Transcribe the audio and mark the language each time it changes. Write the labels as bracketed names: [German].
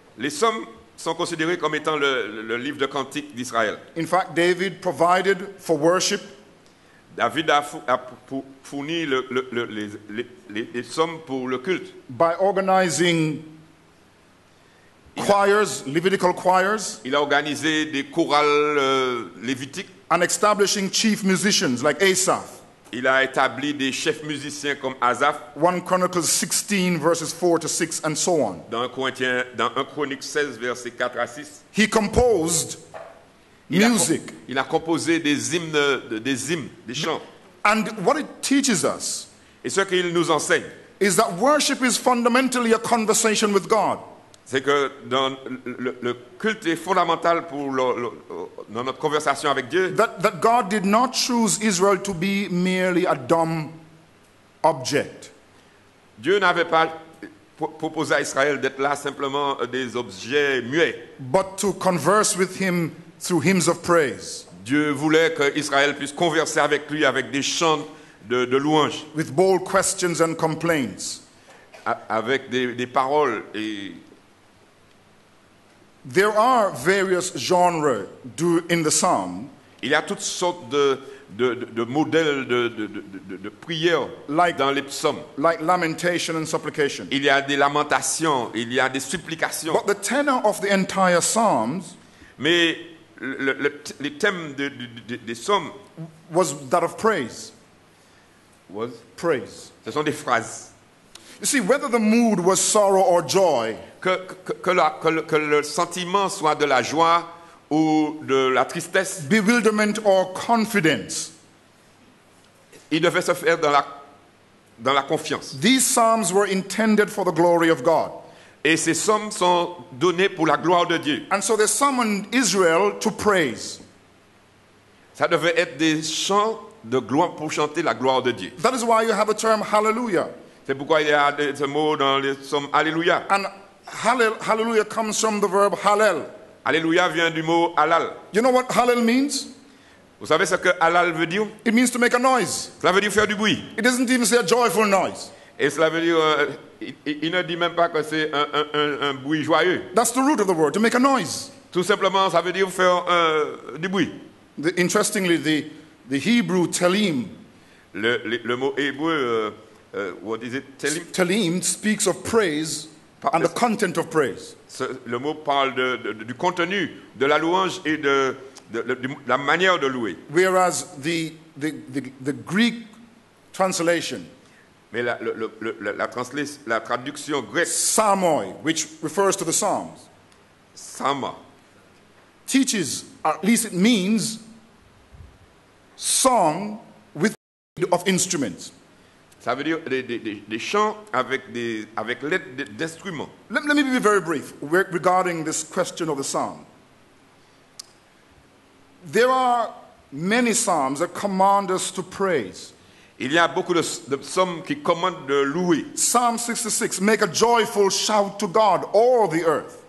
[French] Les psaumes sont considérés comme étant le livre de cantique d'Israël. [English] In fact, David provided for worship. [French] David a fourni les psaumes pour le culte. [English] By organizing choirs, Levitical choirs. [French] Il a organisé des chorales lévitiques. [English] And establishing chief musicians like Asaph. [French] Il a établi des chefs musiciens comme Asaph. [English] 1 Chronicles 16 verses 4 to 6 and so on. [French] Dans 1 Chroniques 16 verset 4 à 6. [English] He composed music. [French] Il a composé des hymnes, des chants. [English] And what it teaches us, [French] et ce qu'il nous enseigne, [English] is that worship is fundamentally a conversation with God. [French] C'est que dans le culte est fondamental pour dans notre conversation avec Dieu. [English] That God did not choose Israel to be merely a dumb object. [French] Dieu n'avait pas proposé à Israël d'être là simplement des objets muets. [English] But to converse with him through hymns of praise. [French] Dieu voulait que Israël puisse converser avec lui avec des chants de louange. [English] With bold questions and complaints. [French] Avec des paroles et... [English] There are various genres in the psalm. [French] Il y a toutes sortes de modèles de prières [English] like, [French] dans les psaumes. [English] Like lamentation and supplication. [French] Il y a des lamentations, il y a des supplications. [English] But the tenor of the entire psalms, [French] mais le thème de psaumes [English] was that of praise. Was praise. [French] Ce sont des phrases. [English] You see, whether the mood was sorrow or joy. [French] Que le sentiment soit de la joie ou de la tristesse. [English] Bewilderment or confidence. [French] Il devait se faire dans la confiance. [English] These psalms were intended for the glory of God. [French] Et ces psaumes sont donnés pour la gloire de Dieu. [English] And so they summoned Israel to praise. [French] Ça devait être des chants de gloire pour chanter la gloire de Dieu. [English] That is why you have a term hallelujah. [French] C'est pourquoi il y a ce mot dans les psaumes alléluia. [English] And hallelujah comes from the verb hallel. [French] Alléluia vient du mot halal. [English] You know what hallel means? [French] Vous savez ce que halal veut dire? [English] It means to make a noise. [French] Cela veut dire faire du bruit. [English] It doesn't even say a joyful noise. [French] Et cela veut dire il ne dit même pas que c'est un bruit joyeux. [English] That's the root of the word, to make a noise. [French] Tout simplement ça veut dire faire du bruit. [English] Interestingly the Hebrew telim [French] le mot hébreu [English] what is it? [French] Telim? [English] Telim speaks of praise and the content of praise. [French] Le mot parle du contenu de la louange et de la manière de louer. [English] Whereas the Greek translation, [French] mais la traduction grecque, [English] psalmoi, which refers to the psalms, [French] psalma, [English] teaches, or at least it means, song with aid of instruments. [French] Ça veut dire des chants avec l'aide d'instruments. [English] Let me be very brief regarding this question of the psalm. There are many psalms that command us to praise. [French] Il y a beaucoup de psaumes qui commandent de louer. [English] Psalm 66, make a joyful shout to God, all the earth.